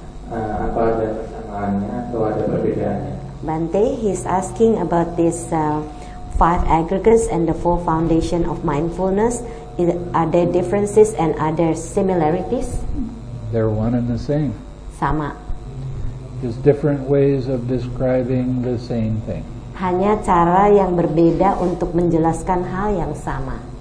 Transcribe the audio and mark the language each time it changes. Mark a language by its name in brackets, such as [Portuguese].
[Indonesian] Apa ada persamaannya atau ada perbedaannya? [English] Bante, he's asking about this 5 aggregates and the 4 foundation of mindfulness. Are there differences and are there similarities? They're one and the same. [Indonesian] Sama. [English] Just different ways of describing the same thing. [Indonesian] Hanya cara yang berbeda untuk menjelaskan hal yang sama.